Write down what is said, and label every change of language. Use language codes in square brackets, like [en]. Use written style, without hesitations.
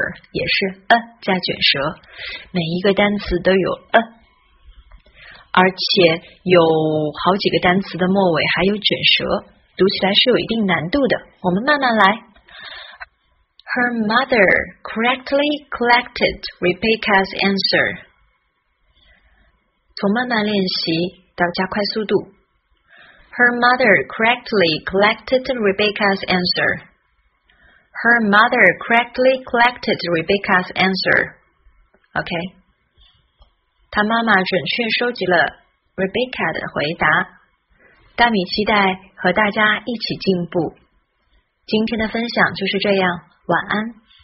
[zh] 也是 a 加卷舌，每一个单词都有 a， 而且有好几个单词的末尾还有卷舌，读起来是有一定难度的。我们慢慢来。 [en] Her mother correctly collected Rebecca's answer。 [zh] 从慢慢练习到加快速度。 [en] Her mother correctly collected Rebecca's answer。 Her mother correctly collected Rebecca's answer. OK. [zh] 她妈妈准确收集了 Rebecca 的回答。大米期待和大家一起进步。今天的分享就是这样，晚安。